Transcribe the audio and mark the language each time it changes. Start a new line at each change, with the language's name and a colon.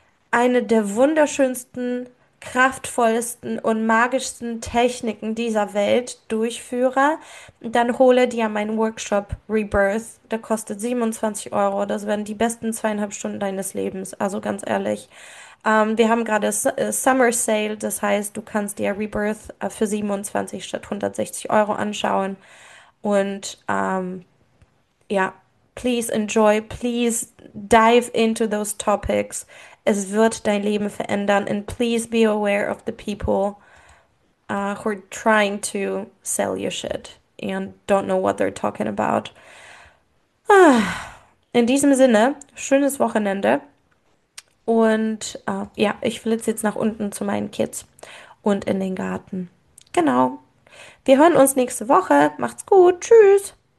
German: eine der wunderschönsten, kraftvollsten und magischsten Techniken dieser Welt durchführe, dann hole dir meinen Workshop Rebirth. Der kostet 27 €. Das werden die besten 2,5 Stunden deines Lebens. Also ganz ehrlich. Wir haben gerade Summer Sale. Das heißt, du kannst dir Rebirth für 27 statt 160 € anschauen.
English: Und ja, please enjoy, please dive into those topics.
German: Es wird dein Leben verändern.
English: And please be aware of the people who are trying to sell your shit and don't know what they're talking about.
German: In diesem Sinne, schönes Wochenende. Und ja, ich flitze jetzt nach unten zu meinen Kids und in den Garten. Genau. Wir hören uns nächste Woche. Macht's gut. Tschüss.